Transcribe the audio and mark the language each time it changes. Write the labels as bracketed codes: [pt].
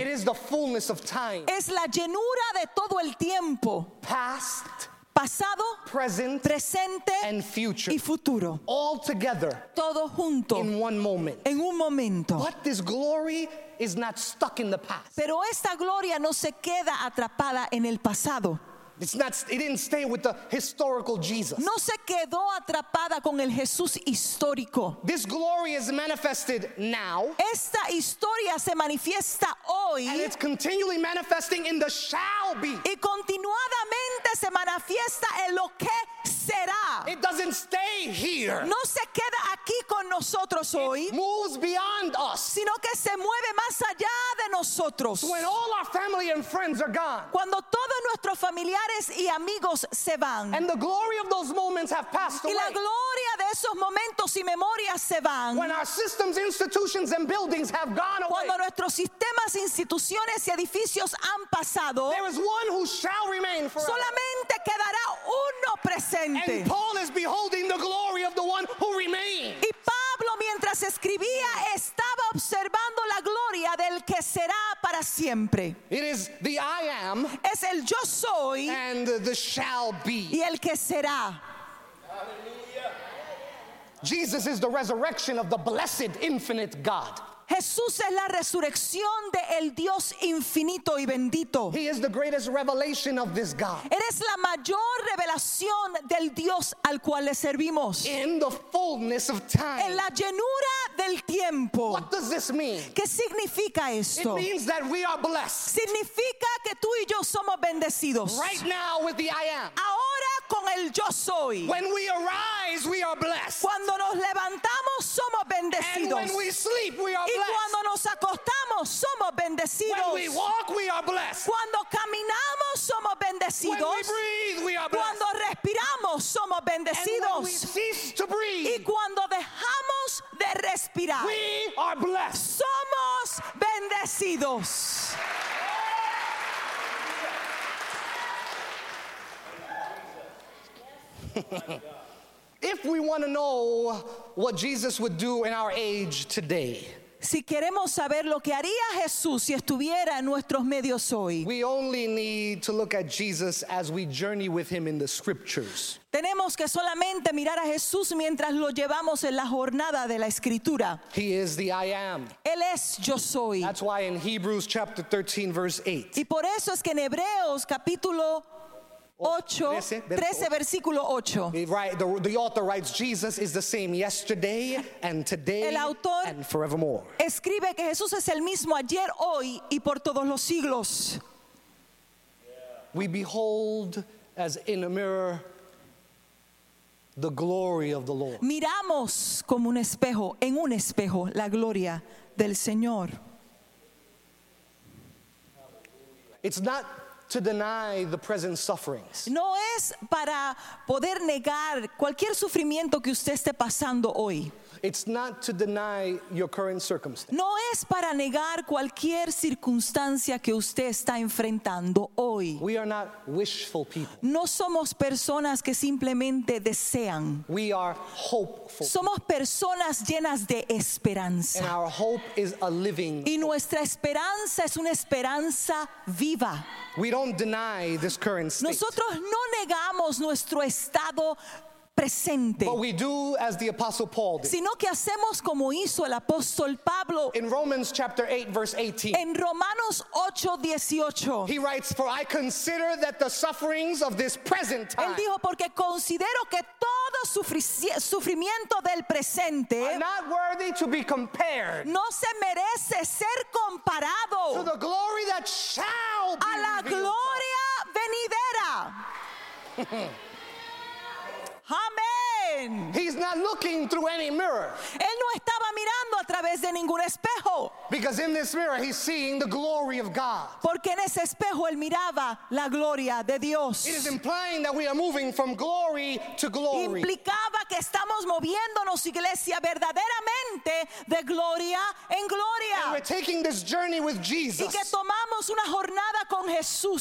[en] It is the fullness of time. [es] Es la llenura de todo el tiempo. [en] Past. [es] Pasado, [en] present, [es] presente, [en] and future, [es] y futuro, [en] all together, [es] todo junto, [en] in one moment, [es] en un momento. [en] But this glory is not stuck in the past. [es] Pero esta gloria no se queda atrapada en el pasado. [en] It didn't stay with the historical Jesus. [es] No se quedó atrapada con el Jesús histórico. [en] This glory is manifested now. [es] Esta historia se manifiesta hoy. [en] And it's continually manifesting in the shall be. [es] Y continuadamente se manifiesta en lo que será. [en] It doesn't stay here. [es] No se queda aquí con nosotros hoy. [en] It moves beyond us. [es] Sino que se mueve más allá de nosotros. [en] When all our family and friends are gone. [es] Cuando todos nuestros familiares y amigos se van. [en] And the glory of those moments have passed away. [es] Y la gloria de esos momentos y memorias se van. [en] When our systems, institutions and buildings have gone away. [es] Cuando nuestros sistemas, instituciones y edificios han pasado. [en] There is one who shall remain forever. [es] Solamente quedará uno presente. [en] And Paul is beholding the glory of the one who remains. [es] Y Pablo, mientras escribía, estaba observando la gloria del que será para siempre. [en] It is the I am. [es] Es el yo soy. [en] And the shall be. [es] Y el que será. [en] Jesus is the resurrection of the blessed infinite God. [es] Jesús es la resurrección de el Dios infinito y bendito. [en] He is the greatest revelation of this God. [es] Eres la mayor revelación del Dios al cual le servimos. [en] In the fullness of time. [es] En la llenura del tiempo. [en] What does this mean? [es] ¿Qué significa esto? [en] It means that we are blessed. [es] Significa que tú y yo somos bendecidos. [en] Right now with the I am. [es] Ahora con el yo soy. [en] When we arise, we are blessed. [es] Cuando nos levantamos, somos bendecidos. [en] And when we sleep, we are [es] y cuando nos acostamos somos bendecidos. [en] When we walk, we are blessed. [es] Cuando caminamos somos bendecidos. [en] When we breathe, we are blessed. [es] Cuando respiramos somos bendecidos. [en] And when we cease to breathe, [es] y cuando dejamos de respirar, [en] we are blessed. [es] Somos bendecidos. [en] If we want to know what Jesus would do in our age today, [es] si queremos saber lo que haría Jesús si estuviera en nuestros medios hoy, [en] we only need to look at Jesus as we journey with him in the scriptures. [es] Tenemos que solamente mirar a Jesús mientras lo llevamos en la jornada de la escritura. [en] He is the I am. [es] Él es yo soy. [en] That's why in Hebrews chapter 13 verse 8. [es] Y por eso es que en Hebreos capítulo 13, versículo 8. [en] The author writes, Jesus is the same yesterday and today and forevermore. [es] Escribe que Jesús es el mismo ayer, hoy y por todos los siglos. [en] We behold as in a mirror the glory of the Lord. [es] Miramos como un espejo, en un espejo, la gloria del Señor. [en] It's not to deny the present sufferings. [es] No es para poder negar cualquier sufrimiento que usted esté pasando hoy. [en] It's not to deny your current circumstance. [es] No es para negar cualquier circunstancia que usted está enfrentando hoy. [en] We are not wishful people. [es] No somos personas que simplemente desean. [en] We are hopeful. [es] Somos personas llenas de esperanza. [en] And our hope is a living hope. [es] Y nuestra esperanza es una esperanza viva. [en] We don't deny this current state. [es] Nosotros no negamos nuestro estado presente. [en] But we do as the Apostle Paul did. [es] Sino que hacemos como hizo el apóstol Pablo. [en] In Romans chapter 8 verse 18. [es] En Romanos 8:18. [en] He writes, "For I consider that the sufferings of this present time." [es] Él dijo, porque considero que todo sufrimiento del presente [en] are not worthy to be compared. [es] No se merece ser comparado. [en] To the glory that shall be revealed. [es] A la gloria venidera. [en] Amen. He's not looking through any mirror. [es] Él no estaba mirando a través de ningún espejo. [en] Because in this mirror he's seeing the glory of God. [es] Porque en ese espejo él miraba la gloria de Dios. [en] It is implying that we are moving from glory to glory. [es] Implicaba que estamos moviéndonos, iglesia, verdaderamente de gloria en gloria. [en] And we're taking this journey with Jesus. [es] Y que tomamos una jornada con Jesús.